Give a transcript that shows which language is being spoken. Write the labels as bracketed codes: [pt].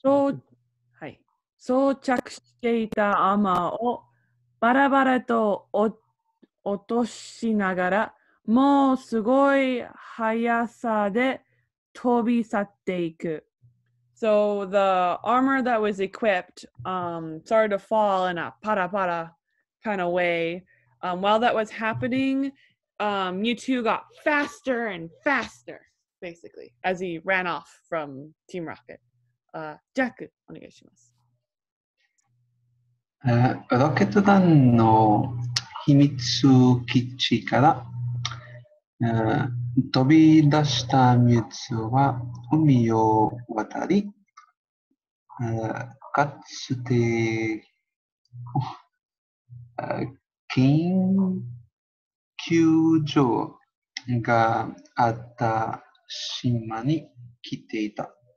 [ja] so, hi. So, 着していた雨をバラバラと落としながら、もうすごい速さで飛び去っていく。 [en] So the armor that was equipped started to fall in a para-para kind of way. While that was happening, Mewtwo got faster and faster, basically, as he ran off from Team Rocket. [ja] Jack, お願いします。ロケット団の秘密基地から飛び出したMewtwoは海を渡り、かつて研究所があった島に来ていた。